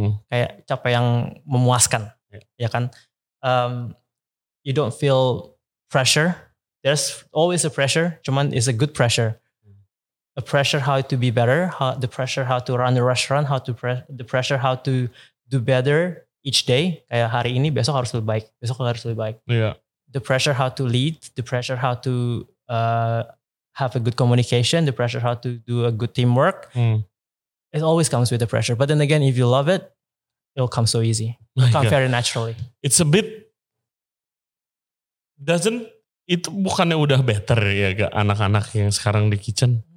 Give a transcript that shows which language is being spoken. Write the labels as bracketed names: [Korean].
[Indonesian] Kayak capek yang memuaskan. [English] Yeah. [Indonesian] Ya kan? [English] You don't feel pressure. There's always a pressure. Cuman it's a good pressure. A pressure how to be better. The pressure how to run the restaurant. The pressure how to do better each day. [Indonesian] Kayak hari ini besok harus lebih baik. Besok harus lebih baik. [English] Yeah. The pressure how to lead. The pressure how to have a good communication. The pressure how to do a good teamwork. It always comes with the pressure. But then again, if you love it, it'll come so easy. It'll come very naturally. It's a bit... [Indonesian] Itu bukannya udah better ya gak anak-anak yang sekarang di kitchen?